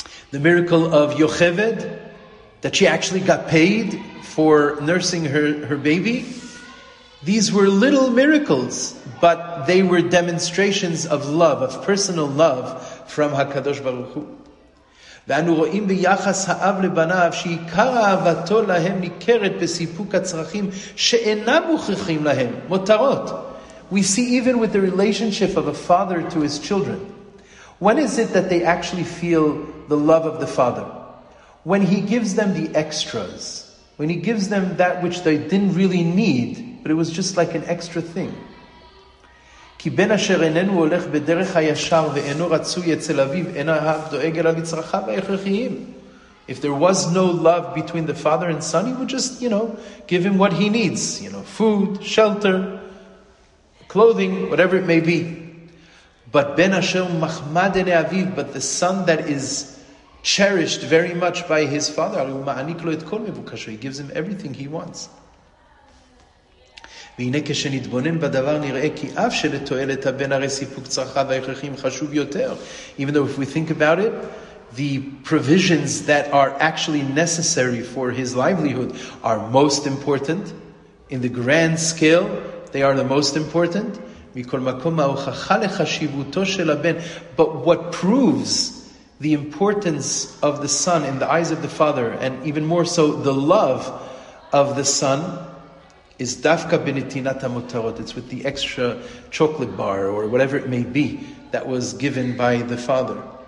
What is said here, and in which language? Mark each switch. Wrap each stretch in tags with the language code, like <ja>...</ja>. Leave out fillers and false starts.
<en>The miracle of Yocheved, that she actually got paid for nursing her baby. These were little miracles, but they were demonstrations of love, of personal love from HaKadosh Baruch Hu.</en> <he>ואנו רואים ביחס האב לבניו שעיקר אהבתו להם ניכרת בסיפוק הצרכים שאינם מוכרחים להם, מותרות.</he> <en>We see even with the relationship of a father to his children. When is it that they actually feel the love of the father? When he gives them the extras. When he gives them that which they didn't really need, but it was just like an extra thing.</en> <he>כי בן אשר איננו הולך בדרך הישר ואינו רצוי אצל אביו, אין אהב דואג אלא לצרכיו ההכרחיים.</he> <en>If there was no love between the father and son, he would just, you know, give him what he needs. You know, food, shelter, clothing, whatever it may be. But</en> <he>בן אשר מחמד אלי אביו,</he> <en>but the son that is cherished very much by his father,</en> <he>הוא מעניק לו את כל מבוקשו,</he> <en>he gives him everything he wants.</en> <he>והנה כשנתבונן בדבר נראה כי אף שלתועלת הבן הרי סיפוק צרכה והכרחים חשוב יותר.</he> <en>Even though if we think about it, the provisions that are actually necessary for his livelihood are most important. In the grand scale, they are the most important.</en> <he>מכל מקום ההוכחה לחשיבותו של הבן.</he> <en>But what proves the importance of the son in the eyes of the father, and even more so the love of the son, is</en> <he>dafka benitinat ha-mutarot,</he> <en>it's with the extra chocolate bar or whatever it may be that was given by the father.</en>